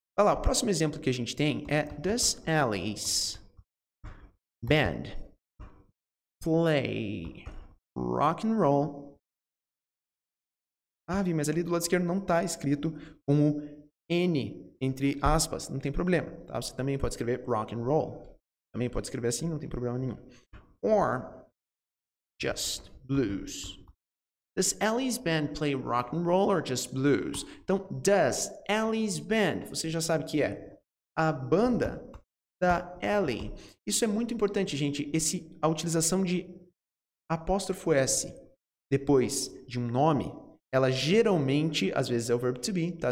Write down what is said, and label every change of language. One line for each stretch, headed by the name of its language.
Portuguese: Olha lá, o próximo exemplo que a gente tem é
English: Does Alice Band play rock and roll?
Portuguese: Ah, Vi, mas ali do lado esquerdo não está escrito com o N entre aspas. Não tem problema, tá? Você também pode escrever rock and roll. Também pode escrever assim, não tem problema nenhum.
English: Or just blues. Does Ellie's band play rock and roll or just blues?
Portuguese: Então,
English: does Ellie's band,
Portuguese: você já sabe o que é? A banda da Ellie. Isso é muito importante, gente. A utilização de apóstrofo S depois de um nome, ela geralmente, às vezes é o verbo to be, tá?